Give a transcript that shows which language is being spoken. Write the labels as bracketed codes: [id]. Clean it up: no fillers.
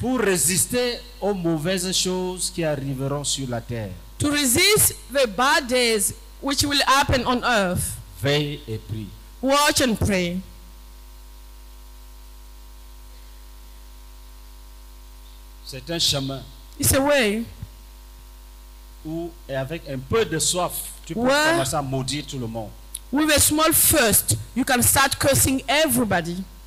[fr] Pour résister aux mauvaises choses qui arriveront sur la terre. [en] To resist the bad days which will happen on earth. [fr] Veille et prie. [en] Watch and pray. [fr] C'est un chemin. [en] It's a way. [fr] Où, et avec un peu de soif, tu peux commencer à maudire tout le monde. [en] With a small thirst, you can start cursing everybody.